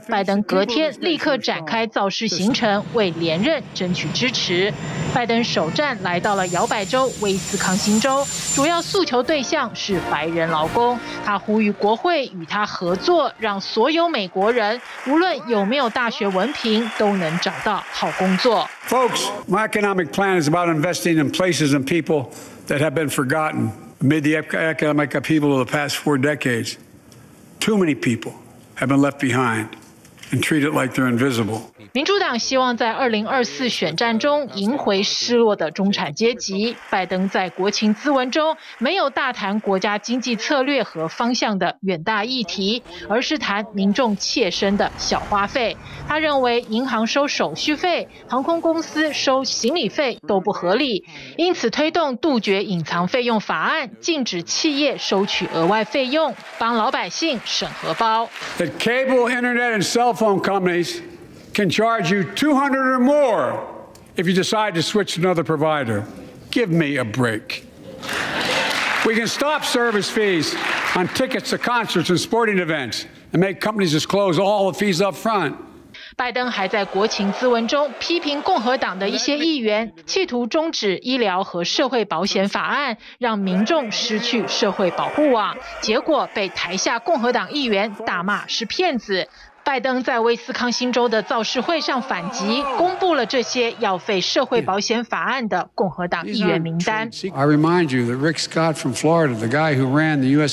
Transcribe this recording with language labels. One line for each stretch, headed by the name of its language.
Chinese: 拜登隔天立刻展开造势行程，为连任争取支持。拜登首站来到了摇摆州威斯康星州，主要诉求对象是白人劳工。他呼吁国会与他合作，让所有美国人无论有没有大学文凭都能找到好工作。
English: Folks, my economic plan is about investing in places and people that have been forgotten. Amid the economic upheaval of the past four decades, too many people have been left behind and treated like they're invisible.
Chinese: 民主党希望在2024选战中赢回失落的中产阶级。拜登在国情咨文中没有大谈国家经济策略和方向的远大议题，而是谈民众切身的小花费。他认为银行收手续费、航空公司收行李费都不合理，因此推动杜绝隐藏费用法案，禁止企业收取额外费用，帮老百姓省荷包。
English: The cable, internet, and cell phone companies. Can charge you $200 or more if you decide to switch to another provider. Give me a break. We can stop service fees on tickets to concerts and sporting events and make companies disclose all the fees up front.
Chinese: 拜登还在国情咨文中批评共和党的一些议员企图终止医疗和社会保险法案，让民众失去社会保护网，结果被台下共和党议员大骂是骗子。拜登在威斯康星州的造势会上反击，公布了这些要废社会保险法案的共和党议员名单。
English: I remind you that Rick Scott from Florida, the guy who ran the U.S.